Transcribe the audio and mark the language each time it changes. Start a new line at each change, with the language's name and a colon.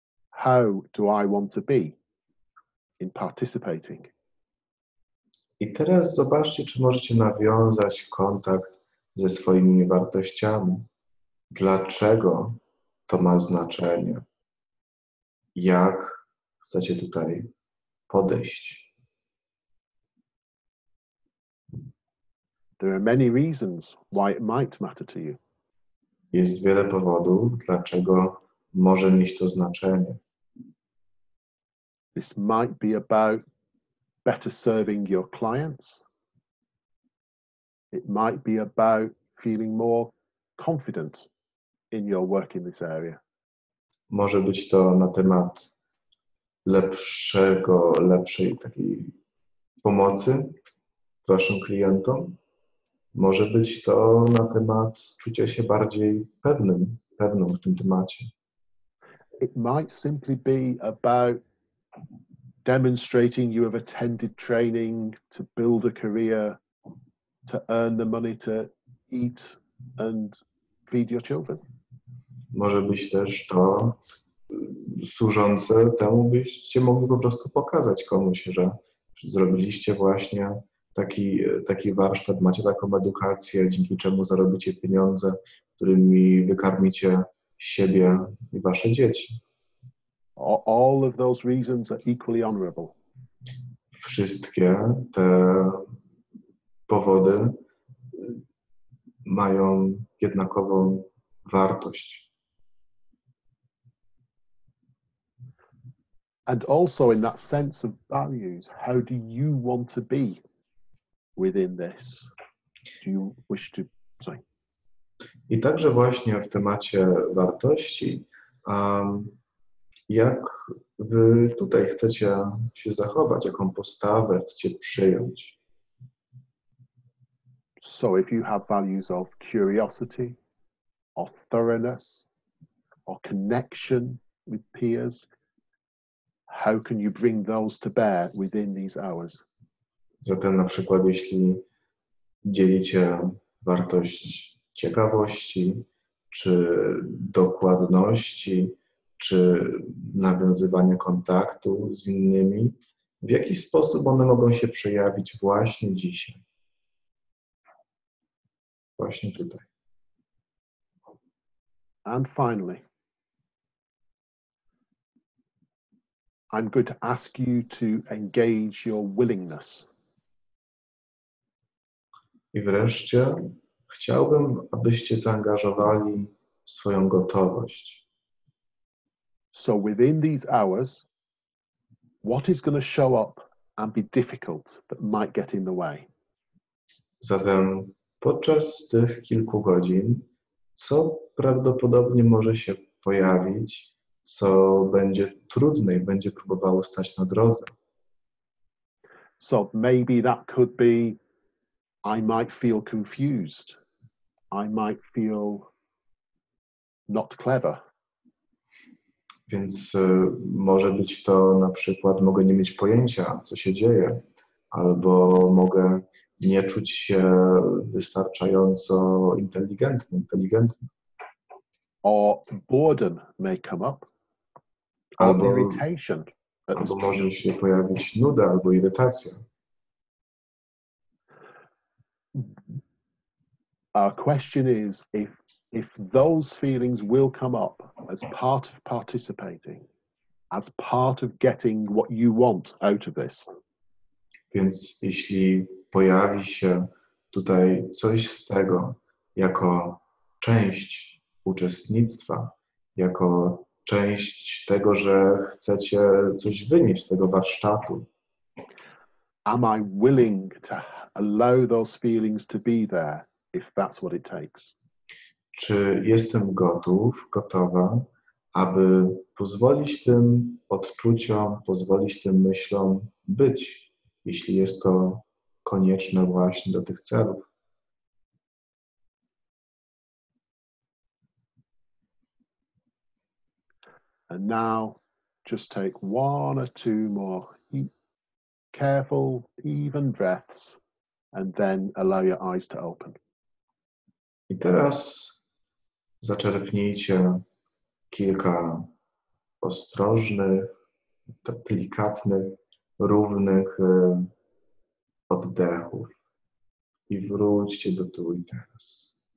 English: How do I want to be in participating?
Polish: I teraz zobaczcie, czy możecie nawiązać kontakt ze swoimi wartościami. Dlaczego to ma znaczenie? Jak chcecie tutaj podejść?
English: There are many reasons why it might matter to you.
Polish: Jest wiele powodów, dlaczego może mieć to znaczenie.
English: This might be about better serving your clients. It might be about feeling more confident in your work in this area.
Polish: Może być to na temat lepszej takiej pomocy waszym klientom może być to na temat czucia się bardziej pewnym, pewną w tym temacie.
English: It might simply be about demonstrating you have attended training to build a career, to earn the money to eat and feed your children.
Polish: Może być też to służące temu, byście mogli po prostu pokazać komuś, że zrobiliście właśnie taki warsztat, macie taką edukację, dzięki czemu zarobicie pieniądze, którymi wykarmicie siebie i wasze dzieci.
English: All of those reasons are equally honorable.
Polish: Wszystkie te powody mają jednakową wartość.
English: And also in that sense of values, how do you want to be within this? Do you wish to... Sorry.
Polish: I także właśnie w temacie wartości, jak wy tutaj chcecie się zachować, jaką postawę chcecie przyjąć?
English: So if you have values of curiosity, or thoroughness, or connection with peers, how can you bring those to bear within these hours?
Polish: Zatem na przykład, jeśli dzielicie wartość ciekawości, czy dokładności, czy nawiązywania kontaktu z innymi, w jaki sposób one mogą się przejawić właśnie dzisiaj? Właśnie tutaj.
English: And finally, I'm going to ask you to engage your willingness.
Polish: I wreszcie chciałbym, abyście zaangażowali swoją gotowość.
English: So within these hours, what is going to show up and be difficult that might get in the way?
Polish: Zatem podczas tych kilku godzin, co prawdopodobnie może się pojawić, co będzie trudne i będzie próbowało stać na drodze.
English: So maybe that could be, I might feel confused. I might feel not clever.
Polish: Więc może być to na przykład, mogę nie mieć pojęcia, co się dzieje, albo mogę nie czuć się wystarczająco inteligentny, inteligentny.
English: Or boredom may come up.
Polish: Albo
English: irritation.
Polish: Albo może się pojawić nuda albo irytacja.
English: Our question is if those feelings will come up as part of participating, as part of getting what you want out of this.
Polish: Więc jeśli pojawi się tutaj coś z tego jako część uczestnictwa, jako część tego, że chcecie coś wynieść z tego warsztatu.
English: Am I willing to allow those feelings to be there, if that's what it takes?
Polish: Czy jestem gotów, gotowa, aby pozwolić tym odczuciom, pozwolić tym myślom być, jeśli jest to konieczne właśnie do tych celów?
English: And now just take one or two more careful, even breaths, and then allow your eyes to open.
Polish: I teraz zaczerpnijcie kilka ostrożnych, delikatnych, równych oddechów i wróćcie do tu i teraz.